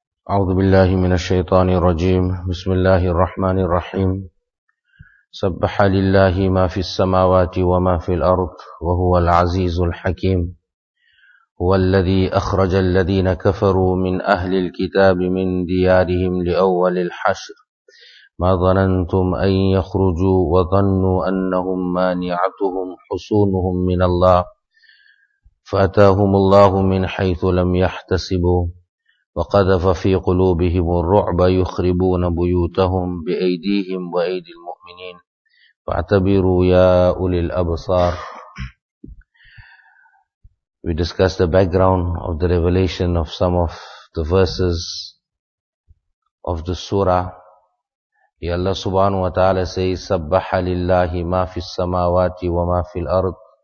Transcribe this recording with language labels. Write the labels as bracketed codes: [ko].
[ar] أعوذ بالله من الشيطان الرجيم بسم الله الرحمن الرحيم سبح لله ما في السماوات وما في الأرض وهو العزيز الحكيم هو الذي أخرج الذين كفروا من أهل الكتاب من ديارهم لأول الحشر ما ظننتم أن يخرجوا وظنوا أنهم مانعتهم حصونهم من الله فأتاهم الله من حيث لم يحتسبوا وقذف في قلوبهم الرعب يخربون بيوتهم بأيديهم وأيدي المؤمنين فاعتبروا يا أولي الأبصار. [en] We discussed the background of the revelation of some of the verses of the surah. Ya Allah subhanahu wa ta'ala says, [ar] سَبَّحَ لِلَّهِ مَا فِي السَّمَاوَاتِ وَمَا فِي الْأَرْضِ.